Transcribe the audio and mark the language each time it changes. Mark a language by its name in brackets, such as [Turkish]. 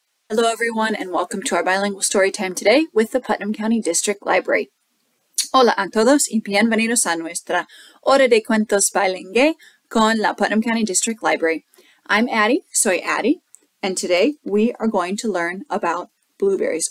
[English] Hello, everyone, and welcome to our bilingual story time today with the Putnam County District Library. [Spanish] Hola a todos y bienvenidos a nuestra Hora de Cuentos Bilingüe con la Putnam County District Library. [English] I'm Addie, [Spanish] soy Addie, [English] and today we are going to learn about blueberries.